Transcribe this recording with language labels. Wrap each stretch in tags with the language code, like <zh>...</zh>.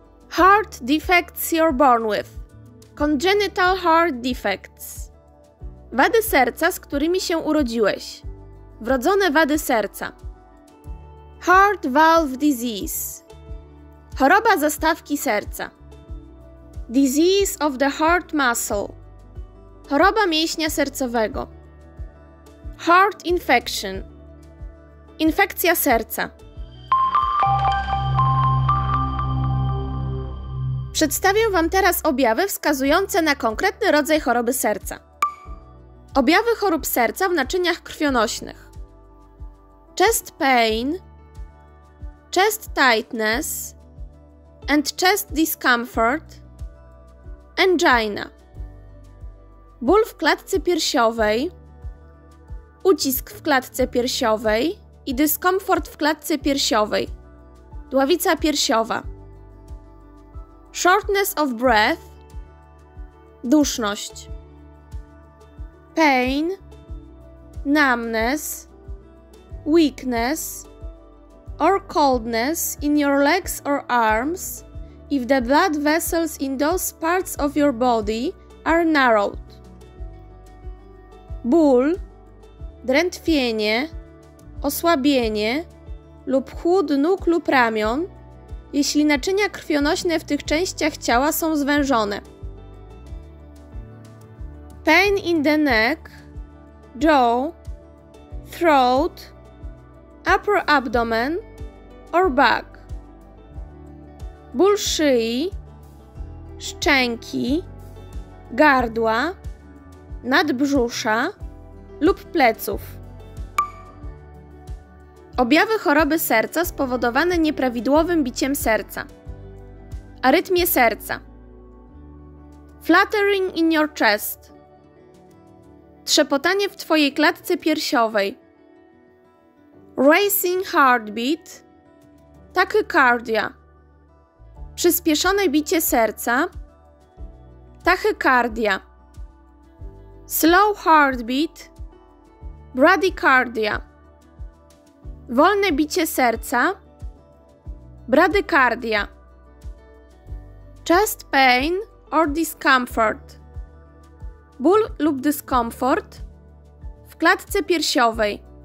<en>Heart defects you're born with, congenital heart defects.</en> <pl>Wady serca, z którymi się urodziłeś. Wrodzone wady serca.</pl> <en>Heart valve disease.</en> <pl>Choroba zastawki serca.</pl> <en>Disease of the heart muscle.</en> <pl>Choroba mięśnia sercowego.</pl> <en>Heart infection.</en> <pl>Infekcja serca. Przedstawię Wam teraz objawy wskazujące na konkretny rodzaj choroby serca. Objawy chorób serca w naczyniach krwionośnych.</pl> <en>Chest pain, chest tightness and chest discomfort, angina.</en> <pl>Ból w klatce piersiowej, ucisk w klatce piersiowej i dyskomfort w klatce piersiowej, dławica piersiowa.</pl> <en>Shortness of breath,</en> <pl>duszność.</pl> <en>Pain, numbness, weakness or coldness in your legs or arms if the blood vessels in those parts of your body are narrowed.</en> <pl>Ból, drętwienie, osłabienie lub chłód nóg lub ramion, jeśli naczynia krwionośne w tych częściach ciała są zwężone.</pl> <en>Pain in the neck, jaw, throat, upper abdomen or back.</en> <pl>Ból szyi, szczęki, gardła, nadbrzusza lub pleców. Objawy choroby serca spowodowane nieprawidłowym biciem serca. Arytmie serca.</pl> <en>Fluttering in your chest.</en> <pl>Trzepotanie w Twojej klatce piersiowej.</pl> <en>Racing heartbeat, tachycardia,</en> <pl>przyspieszone bicie serca, tachycardia,</pl> <en>slow heartbeat, bradycardia,</en> <pl>wolne bicie serca, bradykardia,</pl> <en>chest pain or discomfort,</en> <pl>ból lub dyskomfort w klatce piersiowej.</pl>